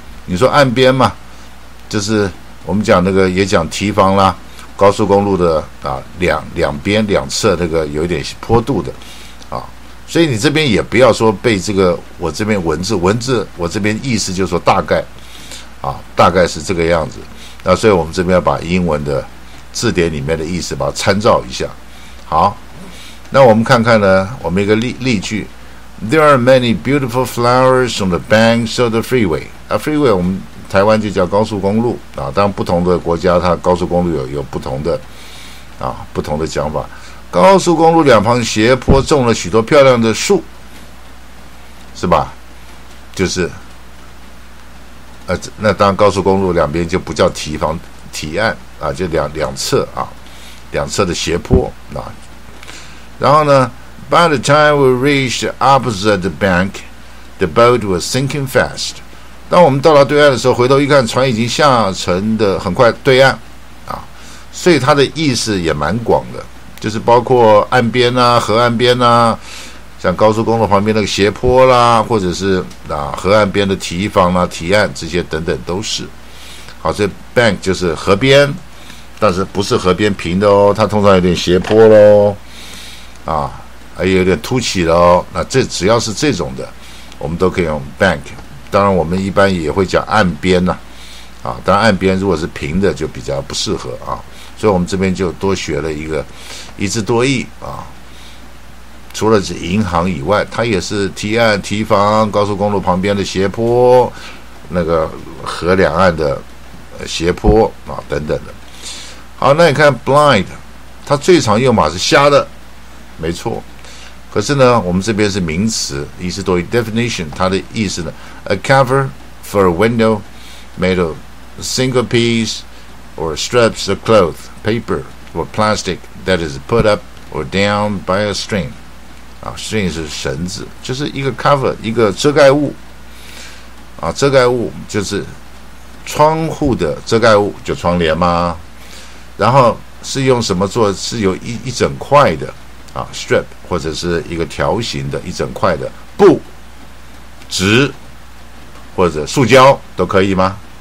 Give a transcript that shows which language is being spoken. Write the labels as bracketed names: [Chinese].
[Chinese] 你说岸边嘛，就是我们讲那个也讲堤防啦，高速公路的啊两边两侧那个有点坡度的啊，所以你这边也不要说被这个我这边文字我这边意思就是说大概啊大概是这个样子。那所以我们这边要把英文的字典里面的意思把它参照一下。好，那我们看看呢，我们一个例句 [English] There are many beautiful flowers on the banks of the freeway. [Chinese] Freeway 我们台湾就叫高速公路啊，当然不同的国家它高速公路有不同的啊不同的讲法。高速公路两旁斜坡种了许多漂亮的树，是吧？就是那当高速公路两边就不叫堤防堤岸啊，就两侧啊，两侧的斜坡啊。然后呢 [English] ，By the time we reached opposite the bank, the boat was sinking fast. [Chinese] 当我们到达对岸的时候，回头一看，船已经下沉的很快，对岸啊。所以它的意思也蛮广的，就是包括岸边呐、啊、河岸边呐、啊，像高速公路旁边那个斜坡啦，或者是啊河岸边的堤防啦、堤岸这些等等都是。好，这 bank 就是河边，但是不是河边平的哦，它通常有点斜坡咯，啊，还有点凸起咯，那这只要是这种的我们都可以用 bank， 当然我们一般也会讲岸边啊，啊，当然岸边如果是平的就比较不适合啊，所以我们这边就多学了一个一字多义啊。除了是银行以外，它也是堤岸、堤防、高速公路旁边的斜坡，那个河两岸的斜坡啊等等的。好，那你看 blind， 它最常用法是瞎的，没错。可是呢，我们这边是名词，意思多于 [English] definition， [Chinese] 它的意思呢 [English] ，a cover for a window made of single piece or strips of cloth, paper or plastic that is put up or down by a string。 [Chinese] 啊 ，string 是绳子，就是一个 cover， 一个遮盖物。啊，遮盖物就是窗户的遮盖物，就窗帘嘛。然后是用什么做？是有一整块的啊 ，strip 或者是一个条形的一整块的布、纸或者塑胶都可以吗？